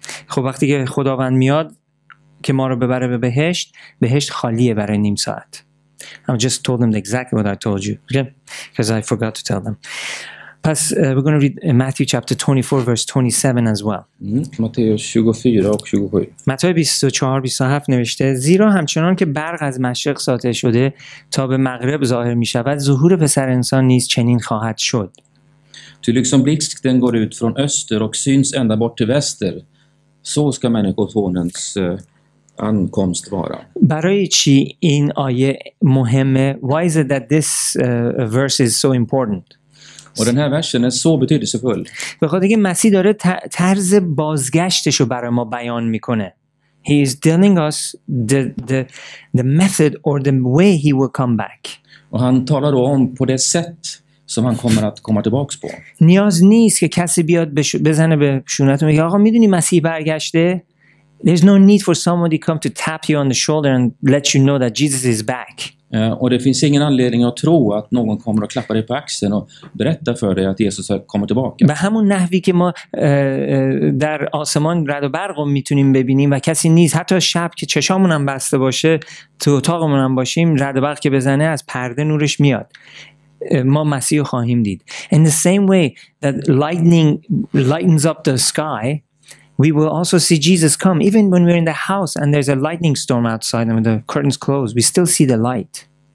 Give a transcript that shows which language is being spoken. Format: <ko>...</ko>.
<fa>Khob waqti ke khodavand miyad که ما رو ببره به بهشت، بهشت خالیه برای نیم ساعت.</fa> <en>I just told them exactly what I told you. Okay? Because I forgot to tell them. Pas we're going to read Matthew chapter 24 verse 27 as well. Matthew</en> <fa>24 و 27 نوشته زیرا همچنان که برق از مشرق ساطع شده تا به مغرب ظاهر می شود ظهور پسر انسان نیز چنین خواهد شد.</fa> <sv>Ty liksom blixten går ut från öster och syns ända bort till väster så ska människosonens ankomst vara.</sv> <fa>برای چی این آیه مهمه?</fa> <en>Why is it that this verse is so important?</en> <sv>Och den här versen är så betydelsefull.</sv> <fa>بخاطر اینکه مسیح داره طرز بازگشتش رو برای ما بیان میکنه.</fa> <en>He is telling us the method or the way he will come back.</en> <sv>Och han talar då om på det sätt som han kommer att komma tillbaks på.</sv> <fa>نیاز نیست که کسی بیاد بزنه به شونتون میگه آقا میدونی مسیح برگشته.</fa> <en>There's no need for somebody come to tap you on the shoulder and let you know that Jesus is back.</en> <sv>Och det finns ingen anledning att tro att någon kommer att klappa dig på axeln och berätta för dig att Jesus kommer tillbaka.</sv> <fa>به همون نحوی که ما در آسمان رد و برق میتونیم ببینیم و کسی نیست حتی شب که چشامون هم بسته باشه تو اتاقمون هم باشیم رد و برق که بزنه از پرده نورش میاد. ما مسیح خواهیم دید.</fa> <en>In the same way that lightning lightens up the sky, we will also see Jesus come. Even when we're in the house and there's a lightning storm outside and the curtains close, we still see the light.</en>